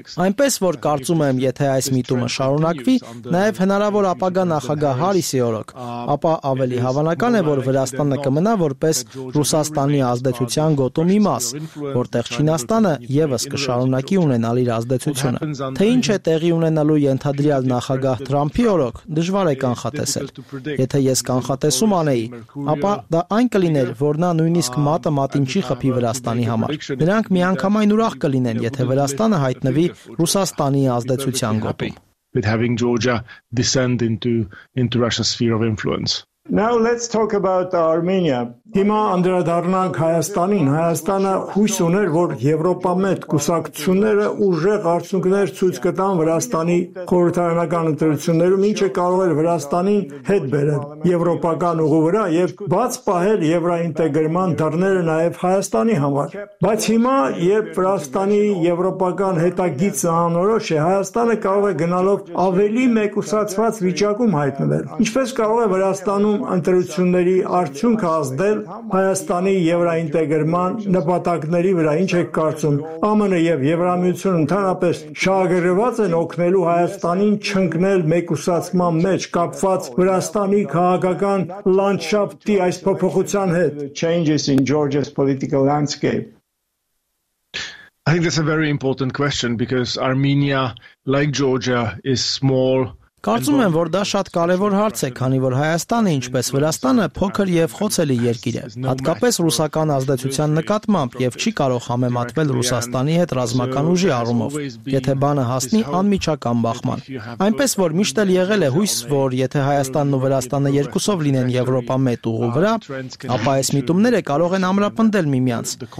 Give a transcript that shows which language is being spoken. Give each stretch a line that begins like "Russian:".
Armenian: Այնպես որ կարծում եմ, եթե այս միտումը շարունակվի, նաեւ հնարավոր ապագա նախագահ Հարիսի օրոք, ապա ավելի հավանական է, որ Վրաստանը կմնա որպես Ռուսաստանի ազդեցության գոտումի մաս, որտեղ Չինաստանը եւս կշարունակի ունենալ իր ազդեցությունը։ Թե ինչ է տեղի ունենալու ենթադրյալ նախագահ Թրամփի օրոք, դժվար է կանխատեսել։ Եթե ես կանխատեսում անեի, ապա դա այն կլիներ, որ նա նույնիսկ մատը մատին չի խփի Վրաստանի համար։ Նրանք միանգամայն ուրախ կլինեն, եթե Վրաստանը հայտնվի Ռուսաստանի ազդեցության գոտում։
English: With having Georgia descend into Russia's sphere of influence. Now let's talk about Armenia.
Armenian: Հիմա անդրադառնանք Հայաստանին։ Հայաստանը հույս ուներ, որ Եվրոպամետ կուսակցությունները ուժեղ արդյունքներ ցույց կտան Վրաստանի խորհրդարանական ընտրություններում, ինչը կարող էր Վրաստանին հետ բերել եվրոպական ուղու վրա եւ բաց պահել եվրոինտեգրման դռները նաեւ Հայաստանի համար։ Բայց հիմա, երբ Վրաստանի եվրոպական հետագիծը անորոշ է, Հայաստանը կարող է գնալով ավելի մեկուսացված վիճակում հայտնվել։ Ինչպես կարող է Վրաստանում ընտրությունների արդյունքը ազդել Հայաստանի եվրոինտեգրման նպատակների վրա, ինչ եք կարծում, ԱՄՆ եւ Եվրամիությունը ընդհանրապես շահագրգռված են օգնելու Հայաստանին չընկնել մեկուսացման մեջ կապված Վրաստանի քաղաքական լանդշաֆտի այս փոփոխության հետ?
English: Changes in Georgia's political landscape. I think that's a very important question because Armenia, like Georgia, is small.
Armenian: Կարծում եմ, որ դա շատ կարևոր հարց է, քանի որ Հայաստանը, ինչպես Վրաստանը, փոքր եւ խոցելի երկիր է, հատկապես ռուսական ազդեցության նկատմամբ, եւ չի կարող համեմատվել Ռուսաստանի հետ ռազմական ուժի առումով, եթե բանը հասնի անմիջական բախման։ Այնպես որ միշտ էլ եղել է հույս, որ եթե Հայաստանն ու Վրաստանը երկուսով լինեն Եվրոպա մետ ուղու վրա, ապա այս միտումները կարող են ամրապնդել միմյանց,